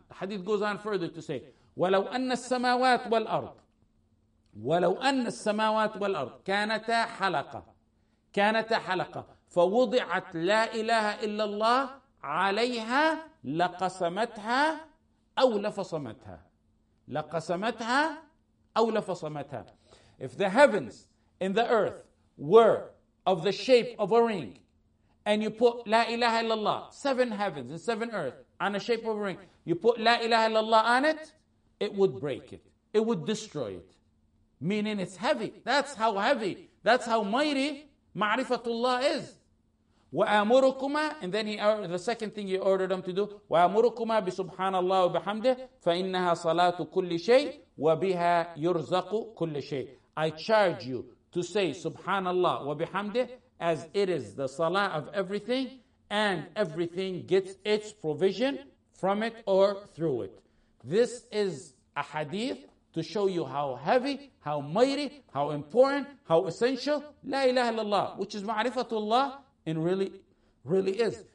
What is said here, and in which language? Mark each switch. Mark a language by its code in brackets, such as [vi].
[en] The hadith goes on further to say, [ar] وَلَوْ أَنَّ السَّمَاوَاتِ وَالْأَرْضِ وَلَوْ أَنَّ السَّمَاوَاتِ وَالْأَرْضِ كَانَتَا حَلَقَةً كَانَتَا حَلَقَةً فَوُضِعَتْ لَا إِلَهَ إِلَّا اللَّهِ عَلَيْهَا لَقَسَمَتْهَا أَوْ لَفَصَمَتْهَا [en] لَقَسَمَتْهَا أَوْ لَفَصَمَتْهَا If the heavens and the earth were of the shape of a ring, And you put La ilaha illallah, seven heavens and seven earth, on a shape of a ring. You put La ilaha illallah on it, it would break it. It would destroy it. Meaning it's heavy. That's how heavy. That's how mighty [ar] معرفة الله is. وآمركما, [en] and then he, the second thing he ordered them to do, [ar] وآمركما بسبحان الله وبحمده فإنها صلاة كل شيء وبها يرزق كل شيء. [en] I charge you to say [ar] سبحان الله وبحمده [en] as it is the salah of everything, and everything gets its provision from it or through it. This is a hadith to show you how heavy, how mighty, how important, how essential La ilaha illallah, which is ma'rifatullah, and really is.